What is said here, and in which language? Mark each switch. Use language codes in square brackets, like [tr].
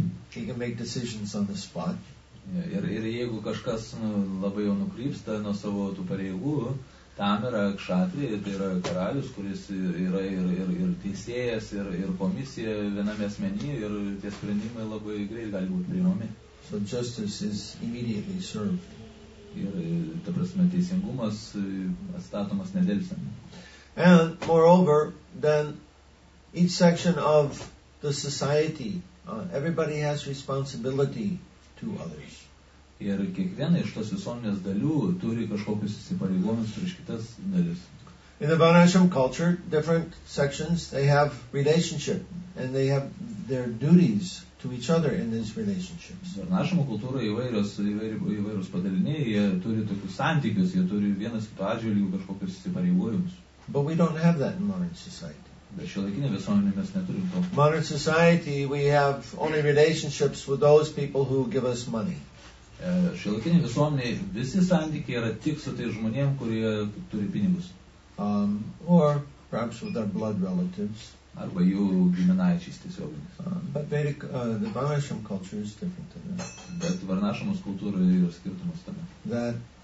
[en] He can make decisions on the spot. [lt] Ir jeigu kažkas labai jau nukrypsta nuo savo tų pareigų, tam yra kšatri, tai yra karalius, kuris yra ir teisėjas, ir komisija viename asmeny, ir tie sprendimai labai greit gali būti priimami. [en] So justice is immediately served. [lt] Ir, ta prasme, teisingumas atstatomas nedelsiant. [en] And moreover, then each section of the society, everybody has responsibility to others. [lt] Ir kiekviena iš tos visuomenės dalių turi kažkokius įsipareigojimus prieš kitas dalis. [en] In the Vanashram culture, different sections, they have relationship and they have their duties to each other in these relationships. [lt] Vanashram kultūra įvairūs padaliniai, jie turi tokius santykius, jie turi vienas kito atžvilgiu kažkokius įsipareigojimus. [en] But we don't have that in modern society. [lt] Bet šiuolaikinė visuomenė mes neturim to. [en] Modern society, we have only relationships with those people who give us money. [lt] Šiuolaikinė visuomenė, visi santykiai yra tik su tais žmonėm, kurie turi pinigus. [en] Or perhaps with our blood relatives. [lt] Arba jų giminaičiais tiesioginis. [en] But the Varnashram culture is different than that. [lt] Bet Varnashramos kultūroje yra skirtumas tame.